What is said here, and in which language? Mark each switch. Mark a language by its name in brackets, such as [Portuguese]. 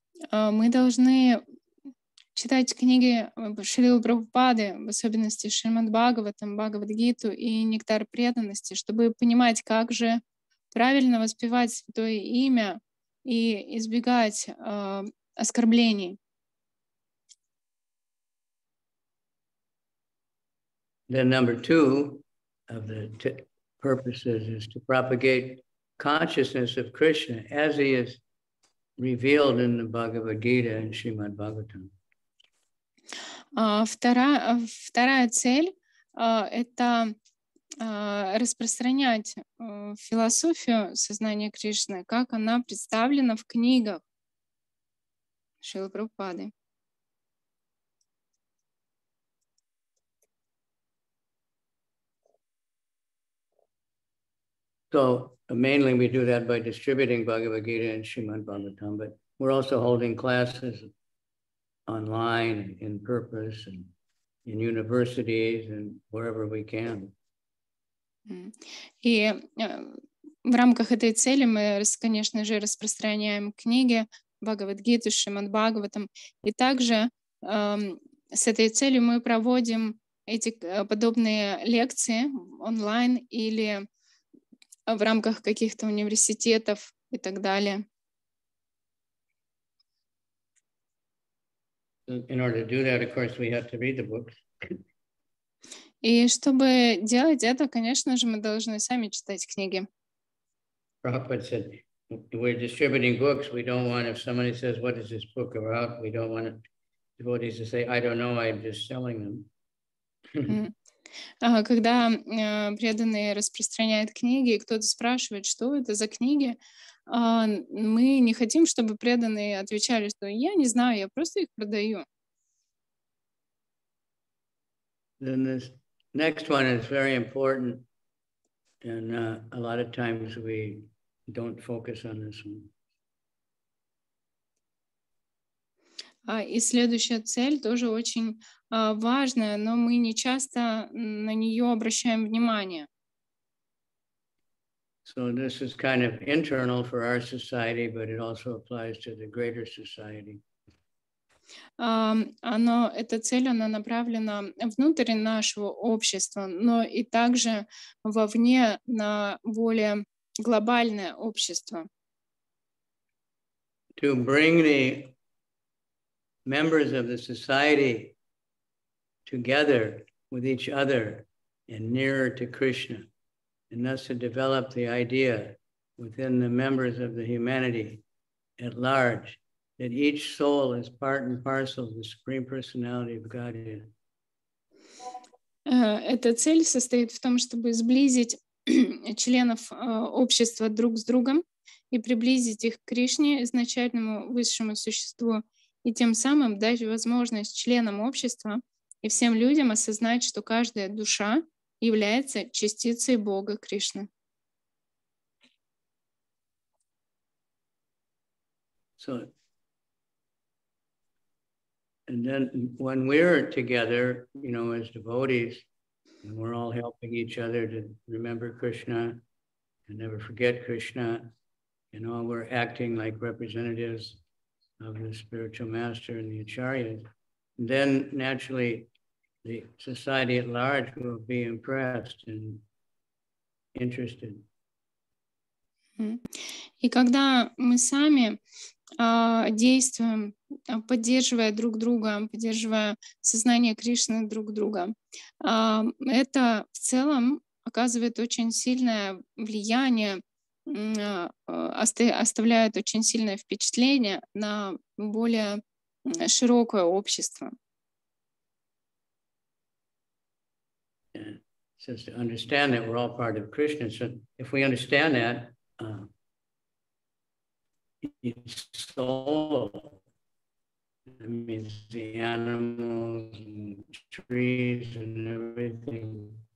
[Russian] Мы должны читать книги Шрилы Прабхупады, в особенности Шримад Бхагаватам, Бхагавад Гиту и Нектар преданности, чтобы понимать, как же правильно воспевать святое имя и избегать оскорблений. [English] Then number two of the purposes is to propagate consciousness of Krishna as he is revealed in the Bhagavad Gita and Srimad Bhagavatam. [Russian] Вторая цель это распространять философию сознания Кришны, как она представлена в книгах Шрилы Прабхупады. [English] So mainly we do that by distributing Bhagavad Gita and Srimad Bhagavatam, but we're also holding classes online in purpose and in universities and wherever we can. [Russian] И в рамках этой цели мы, конечно же, распространяем книги Бхагавад-гиту, Шримад-Бхагаватам. И также с этой целью мы проводим эти подобные лекции онлайн или в рамках каких-то университетов и так далее. [English] In order to do that, of course, we have to read the books. [Russian] И чтобы делать это, конечно же, мы должны сами читать книги. [English] Prabhupada said, we're distributing books. We don't want, if somebody says, what is this book about? We don't want devotees to say, I don't know, I'm just selling them. [Russian] Когда преданные распространяют книги, и кто-то спрашивает, что это за книги, мы не хотим, чтобы преданные отвечали, что я не знаю, я просто их продаю. [English] Then this next one is very important, and a lot of times we don't focus on this one. [Russian] И следующая цель тоже очень важная, но мы не часто на нее обращаем внимание. [English] So this is kind of internal for our society, but it also applies to the greater society. [Russian] Эта цель, она направлена внутрь нашего общества, но и также вовне на более глобальное общество. [English] To bring the members of the society together with each other and nearer to Krishna. And thus to develop the idea within the members of the humanity at large That each soul is part and parcel of the Supreme Personality of Godhead. [Russian] Эта цель состоит в том, чтобы сблизить членов общества друг с другом и приблизить их к Кришне, изначальному высшему существу, и тем самым дать возможность членам общества и всем людям осознать, что каждая душа является частицей Бога Кришны. [English] So, and then when we're together, you know, as devotees, and we're all helping each other to remember Krishna and never forget Krishna, you know, we're acting like representatives of the spiritual master and the acharyas, then naturally the society at large will be impressed and interested. [Russian] И когда мы сами действуем, поддерживая друг друга, поддерживая сознание Кришны друг друга, это в целом оказывает очень сильное влияние, оставляет очень сильное впечатление на более широкое общество. [English] Just to understand that we're all part of Krishna. So if we understand that, the animals and trees and everything.